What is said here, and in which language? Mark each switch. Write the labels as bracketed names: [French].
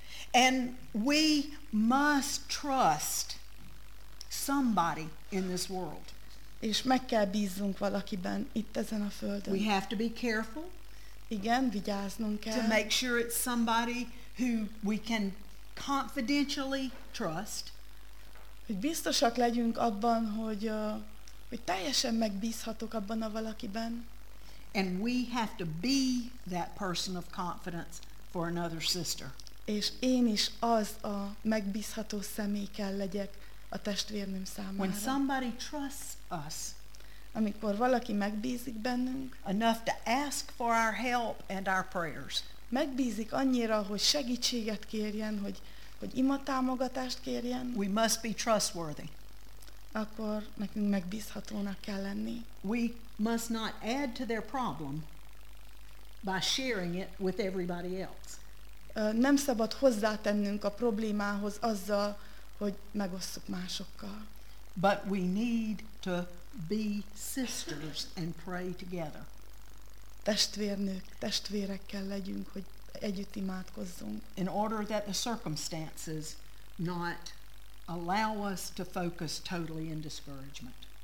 [English] And we must trust somebody in this world. [Hungarian] És meg kell bíznunk valakiben itt ezen a földön. [English] We have to be careful. [Hungarian] Igen, vigyáznunk kell. [English] To make sure it's somebody who we can confidentially trust. [Hungarian] Hogy biztosak legyünk abban, hogy teljesen megbízhatok abban a valakiben. [English] And we have to be that person of confidence for another sister. [Hungarian] És én is az a megbízható személy kell legyek a testvérnőm számára. [English] When somebody trusts us, [Hungarian] amikor valaki megbízik bennünk, [English] enough to ask for our help and our prayers. [Hungarian] Megbízik annyira, hogy segítséget kérjen, hogy ima támogatást kérjen. [English] We must be trustworthy. [Hungarian] Akkor nekünk megbízhatónak kell lenni. [English] We must not add to their problem by sharing it with everybody else. [Hungarian] Nem szabad hozzátennünk a problémához azzal, hogy megosszuk másokkal. [English] But we need to be sisters and pray together. [Hungarian] Testvérnők, testvérekkel legyünk, hogy együtt imádkozzunk. [English] In order that the circumstances not allow us to focus totally in discouragement.